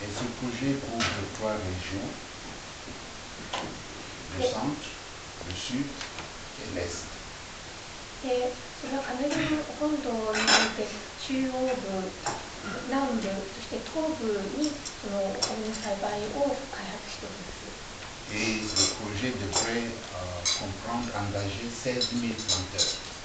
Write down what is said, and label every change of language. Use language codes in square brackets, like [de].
[fr] Et ce projet couvre trois régions, le centre, le sud et l'est. [ja] それはカメルーン本土において中央部、南部、そして東部にそのお米の栽培を開発しております。 [fr] Et le projet devrait comprendre engager 16 000 planteurs.